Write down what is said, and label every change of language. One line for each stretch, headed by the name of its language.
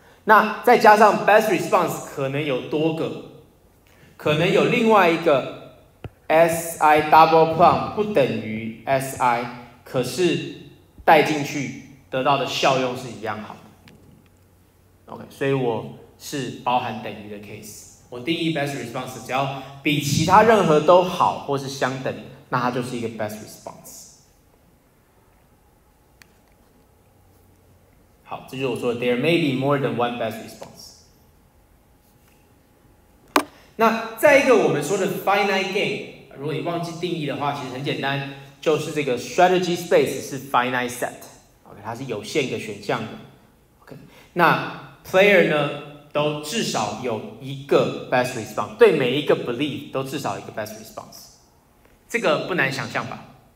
Chinese: 那再加上 best response 可能有多个，可能有另外一个 SI double plus 不等于 SI， 可是带进去得到的效用是一样好的。 OK， 所以我是包含等于的 case。我定义 best response 只要比其他任何都好或是相等，那它就是一个 best response。好，这就是我说的
English: there may be more than one best response。
Chinese: 那再一个我们说的 finite game， 如果你忘记定义的话，其实很简单，就是这个 strategy space 是 finite set。它是有限的选项的、okay. 那 player 呢都至少有一个 best response， 对每一个 belief 都至少一个 best response， 这个不难想象吧。